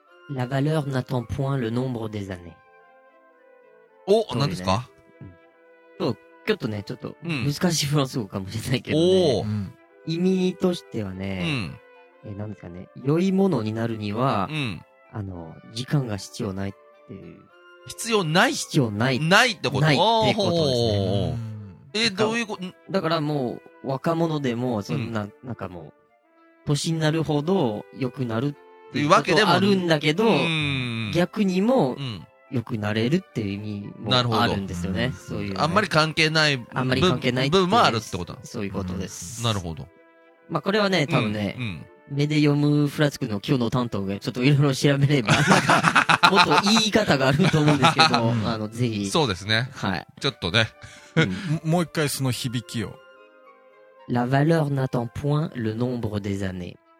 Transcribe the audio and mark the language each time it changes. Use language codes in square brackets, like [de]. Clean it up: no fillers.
[fr] La valeur n'attend point le nombre des années. [ja] お、何ですか？そう、ちょっとね、ちょっと難しいフランス語かもしれないけどね。お、意味としてはね、何ですかね、良いものになるには、あの、時間が必要ないっていう。必要ない？必要ない。ないってこと？ないってことですね。どういうこと？だからもう、若者でも、そんな、うん、なんかもう、年になるほど良くなるっていうわけでもあるんだけど、逆にも、良くなれるっていう意味もあるんですよね。そういう、ね。あんまり関係ない。あんまり関係ない部分もあるってことそういうことです。なるほど。まあ、これはね、多分ね、目で読むフラツクの今日の担当がちょっといろいろ調べれば、もっと言い方があると思うんですけど、あの、ぜひ。そうですね。はい。ちょっとね。もう一回その響きを。 [fr] La valeur n'attend point le nombre des années.